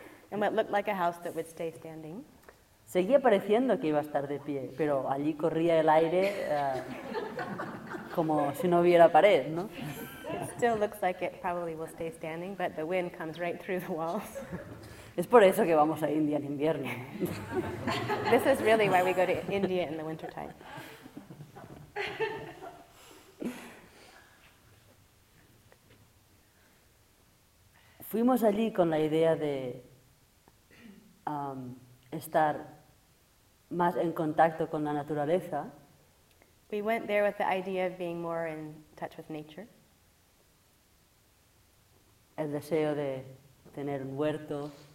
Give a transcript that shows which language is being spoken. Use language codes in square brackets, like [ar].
[en] And what looked like a house that would stay standing. [es] Seguía pareciendo que iba a estar de pie, pero allí corría el aire como si no hubiera pared, ¿no? [en] It still looks like it probably will stay standing, but the wind comes right through the walls. [es] Es por eso que vamos a India en invierno. [en] This is really why we go to India in the winter time. [es] Fuimos allí con la idea de estar más en contacto con la naturaleza. [en] We went there with the idea of being more in touch with nature. [es] El deseo de tener un huerto.